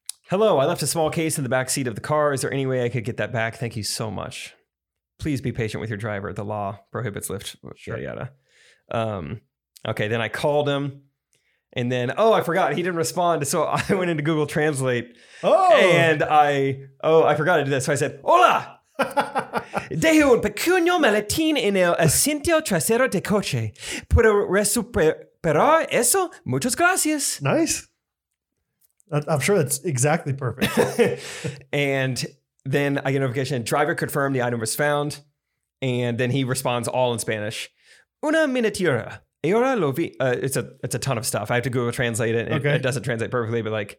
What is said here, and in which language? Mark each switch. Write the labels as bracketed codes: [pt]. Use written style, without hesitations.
[en] Hello, I left a small case in the back seat of the car. Is there any way I could get that back? Thank you so much. Please be patient with your driver. The law prohibits Lyft. Sure. Yada. Okay. Then I called him and then, oh, I forgot. He didn't respond. So I went into Google Translate. Oh. And I forgot to do this. So I said, hola. [es] Dejé un pequeño maletín en el asiento trasero de coche. ¿Puedo recuperar eso? Muchas gracias. [en] Nice. I'm sure that's exactly perfect. And then I get a notification, driver confirmed the item was found. And then he responds all in Spanish. Una miniatura. Ahora lo vi. It's a ton of stuff. I have to Google translate it. It doesn't translate perfectly, but like.